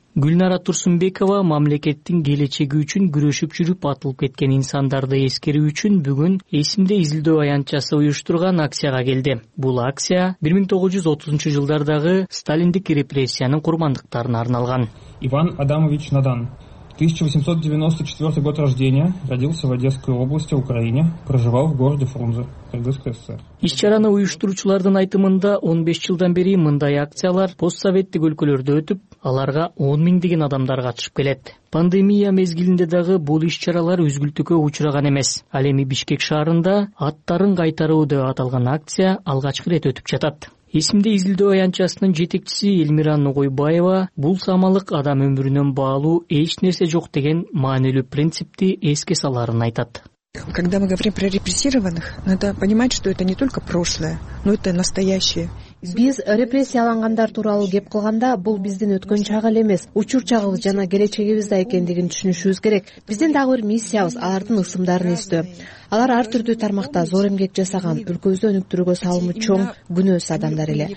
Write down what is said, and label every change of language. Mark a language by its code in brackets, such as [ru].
[ky] Гүлнара Турсунбекова мамлекеттин келечеги үчүн күрөшүп жүрүп атылып кеткен инсандарды эскерүү үчүн бүгүн эсимде изилдөө аянтчасы уюштурган акцияга келди. Бул акция 1930 жылдардагы сталиндик репрессиянын курмандыктарына арналган. [ru] Иван Адамович Надан, 1894 год рождения, родился в Одесской области, Украине, проживал в городе Фрунзе, Кыргызская ССР. [ky] Иш чараны уюштуруучулардын айтымында 15 жылдан бери мындай акциялар постсоветтик өлкөлөрдө өтүп, аларга 10,000 деген адамдар катышып келет. Пандемия мезгилинде дагы бул иш чаралар үзгүлтүккө учураган эмес. Ал эми Бишкек шаарында аттарын кайтаруу деп аталган акция алгачкы ирет өтүп жатат. Эсимде изилдөө аянтчасынын жетекчиси Элмира Ногойбаева бул самалык адам өмүрүнөн баалуу эч нерсе жок деген маанилүү принципти эске саларын айтат. [ru] Когда мы говорим про репрессированных, надо понимать, что это не только прошлое, но это настоящее. [ky] Биз репрессиялангандар тууралуу кеп кылганда, бул биздин өткөн чагы эле эмес, учур чагыбыз жана келечегибизде экендигин түшүнүшүбүз керек. Биздин дагы бир миссиябыз алардын ысымдарын эстөө. Алар ар түрдүү тармакта зор эмгек жасаган, өлкөбүздү өнүктүрүүгө салымы чоң күнөөсүз адамдар эле.